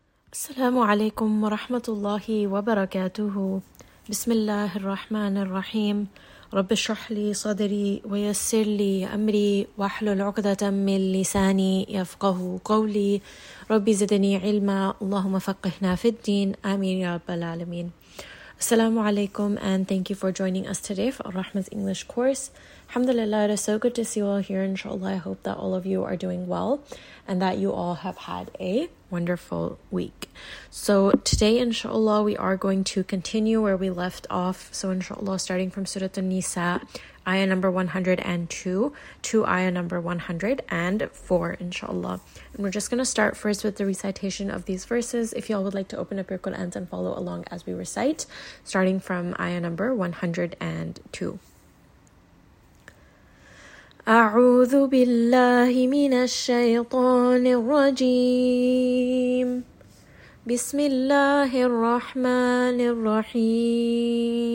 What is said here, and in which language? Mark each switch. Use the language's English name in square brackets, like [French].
[Arabic] السلام عليكم ورحمة الله وبركاته. بسم الله الرحمن الرحيم. رب اشرح لي صدري ويسر لي أمري واحلل عقدة من لساني يفقه قولي. ربي زدني علما اللهم فقهنا في الدين آمين يا رب العالمين. [English] السلام عليكم and thank you for joining us today for Rahma's English course. Alhamdulillah, it is so good to see you all here. Inshallah, I hope that all of you are doing well and that you all have had a wonderful week. So today, inshallah, we are going to continue where we left off. So inshallah, starting from Surah An-Nisa, ayah number 102 to ayah number 104, inshallah. And we're just going to start first with the recitation of these verses. If you all would like to open up your Qur'ans and follow along as we recite, starting from ayah number 102. [Arabic] أعوذ بالله من الشيطان الرجيم بسم الله الرحمن الرحيم